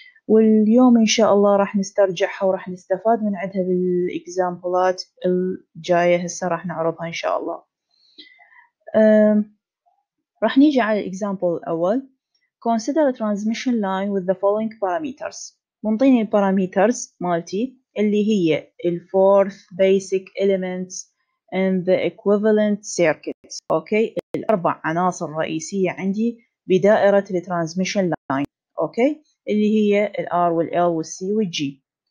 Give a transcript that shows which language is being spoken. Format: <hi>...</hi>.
<ar>واليوم إن شاء الله راح نسترجعها وراح نستفاد من عندها بالإكزامبلات الجاية. هسه راح نعرضها إن شاء الله. راح نيجي على الإكزامبل الأول.</ar> <en>Consider a transmission line with the following parameters.</en> <ar>منطيني الباراميترز مالتي اللي هي الفورث بيسك إليمنتس</ar> <en>and the equivalent circuit.</en> <ar>اوكي، الاربع عناصر الرئيسية عندي بدائرة الترانسميشن لاين، اوكي، اللي هي الار والال والسي والجي.</ar>